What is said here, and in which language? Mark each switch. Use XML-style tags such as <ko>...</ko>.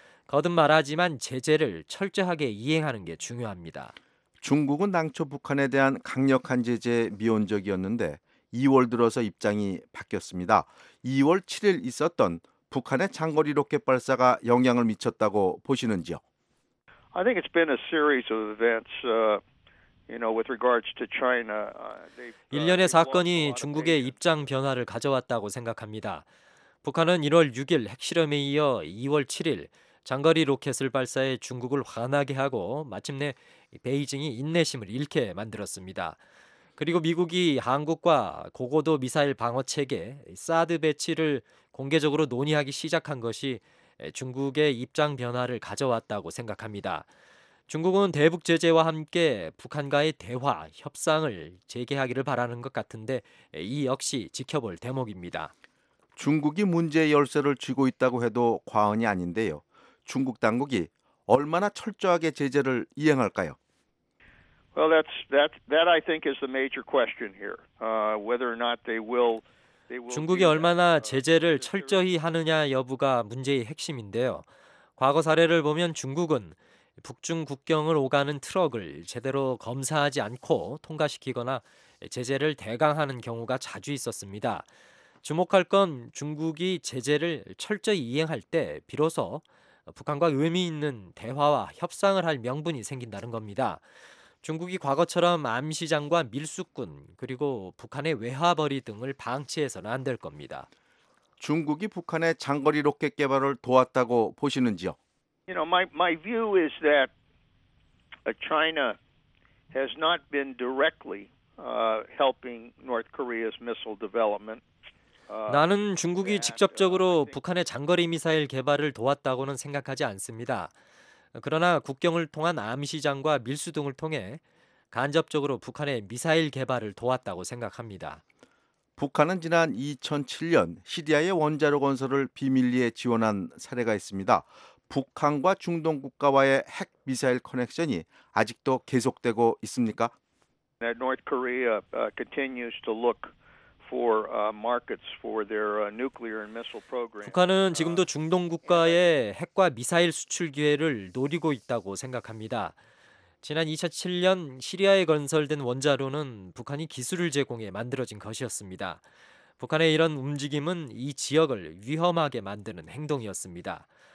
<ko>거듭 말하지만 제재를 철저하게 이행하는 게 중요합니다. 중국은 당초 북한에 대한 강력한 제재에 미온적이었는데 2월 들어서 입장이 바뀌었습니다. 2월 7일 있었던 북한의 장거리 로켓 발사가 영향을 미쳤다고 보시는지요?</ko> <en>I think it's been a series of events. With regards to China,</en> <ko>일련의 사건이 중국의 입장 변화를 가져왔다고 생각합니다. 북한은 1월 6일 핵실험에 이어 2월 7일 장거리 로켓을 발사해 중국을 화나게 하고 마침내 베이징이 인내심을 잃게 만들었습니다. 그리고 미국이 한국과 고고도 미사일 방어체계 사드 배치를 공개적으로 논의하기 시작한 것이 중국의 입장 변화를 가져왔다고 생각합니다. 중국은 대북 제재와 함께 북한과의 대화, 협상을 재개하기를 바라는 것 같은데 이 역시 지켜볼 대목입니다. 중국이 문제의 열쇠를 쥐고 있다고 해도 과언이 아닌데요. 중국 당국이 얼마나 철저하게 제재를 이행할까요?</ko> <en>Well, that I think is the major question here. Whether or not they will</en> <ko>중국이 얼마나 제재를 철저히 하느냐 여부가 문제의 핵심인데요. 과거 사례를 보면 중국은 북중 국경을 오가는 트럭을 제대로 검사하지 않고 통과시키거나 제재를 대강하는 경우가 자주 있었습니다. 주목할 건 중국이 제재를 철저히 이행할 때 비로소 북한과 의미 있는 대화와 협상을 할 명분이 생긴다는 겁니다. 중국이 과거처럼 암시장과 밀수꾼 그리고 북한의 외화벌이 등을 방치해서는 안 될 겁니다. 중국이 북한의 장거리 로켓 개발을 도왔다고 보시는지요?</ko> <en>You know, my view is that China has not been directly helping North Korea's missile development.</en> <ko>나는 중국이 직접적으로 북한의 장거리 미사일 개발을 도왔다고는 생각하지 않습니다. 그러나 국경을 통한 암시장과 밀수 등을 통해 간접적으로 북한의 미사일 개발을 도왔다고 생각합니다. 북한은 지난 2007년 시리아의 원자로 건설을 비밀리에 지원한 사례가 있습니다. 북한과 중동 국가와의 핵 미사일 커넥션이 아직도 계속되고 있습니까?</ko> <en>North Korea continues to look for markets for their nuclear and missile program.</en> <ko>북한은 지금도 중동 국가의 핵과 미사일 수출 기회를 노리고 있다고 생각합니다. 지난 2007년 시리아에 건설된 원자로는 북한이 기술을 제공해 만들어진 것이었습니다. 북한의 이런 움직임은 이 지역을 위험하게 만드는 행동이었습니다.</ko>